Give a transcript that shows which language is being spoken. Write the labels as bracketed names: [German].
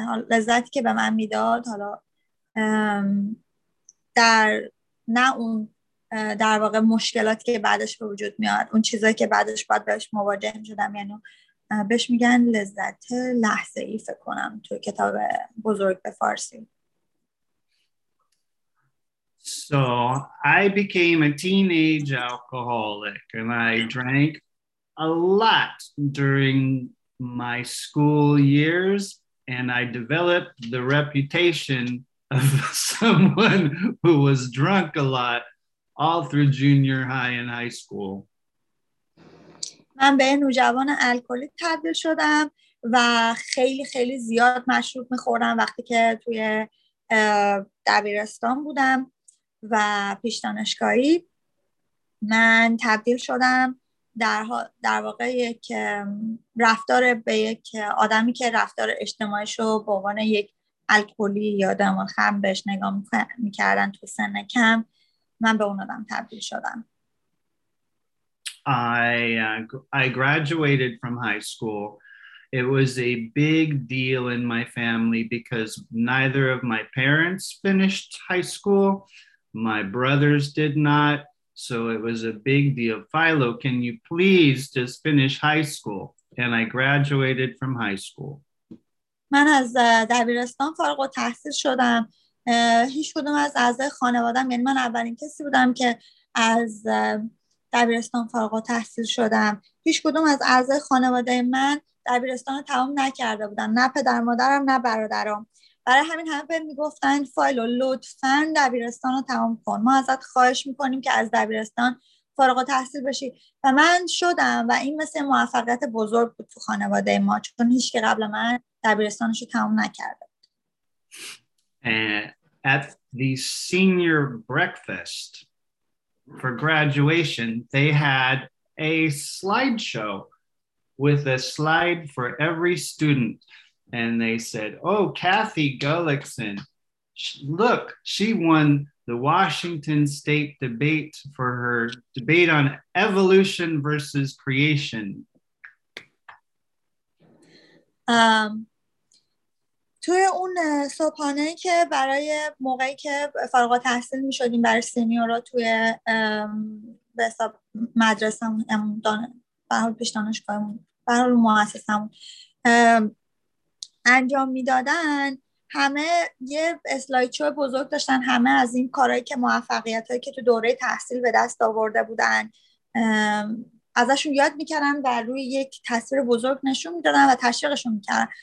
[Persian] لذتی که به من میداد، حالا در نه اون در واقع مشکلاتی که بعدش به وجود میاد، اون چیزایی که بعدش باید بهش مواجه شدم، یعنی بهش میگن لذت لحظه ای، فکر کنم تو کتاب بزرگ به فارسی. [English] So I became a teenage alcoholic and I drank a lot during my school years and I developed the reputation of someone who was drunk a lot all through junior high and high school. [Persian] من به نوجوان الکلی تبدیل شدم و خیلی خیلی زیاد مشروب می‌خوردم وقتی که توی دبیرستان بودم و پیش دانشگاهی. من تبدیل شدم در واقع یک رفتار به یک آدمی که رفتار اجتماعیشو به عنوان یک الکلی یا دماخم بهش نگاه میکردن تو سن کم، من به اون آدم تبدیل شدم. [English] I graduated from high school. It was a big deal in my family because neither of my parents finished high school. My brothers did not. So it was a big deal. Philo, can you please just finish high school? And I graduated from high school. [Persian] من از دبیرستان فارغ التحصیل شدم. هیچ کدوم از اعضای خانواده‌ام، یعنی من اولین کسی بودم که از دبیرستان فارغ التحصیل شدم. هیچ کدوم از اعضای خانواده من دبیرستان رو تمام نکرده بودن. نه پدر مادرم، نه برادرم. برای همین همه بهم میگفتن فایلو لطفاً دبیرستان رو تمام کن، ما ازت خواهش میکنیم که از دبیرستان فارغ التحصیل بشی، و من شدم و این مثل موفقیت بزرگ بود تو خانواده ما، چون هیچ که قبل من دبیرستانش رو تمام نکرده بود. [English] At the senior breakfast for graduation they had a slideshow with a slide for every student. And they said, oh, Kathy Gullickson, look, she won the Washington State debate for her debate on evolution versus creation. [Persian] توی اون صبحانه که برای موقعی که فارغ التحصیل می شدیم برای سینیورا توی به حساب مدرسه همون برحال پیش دانشگاه همون برحال مؤسسه همون انجام میدادن، همه یه اسلاید شو بزرگ داشتن، همه از این کارهایی که موفقیتایی که تو دوره تحصیل به دست آورده بودن ازشون یاد میکردن و روی یک تصویر بزرگ نشون میدادن و تشویقشون میکردن.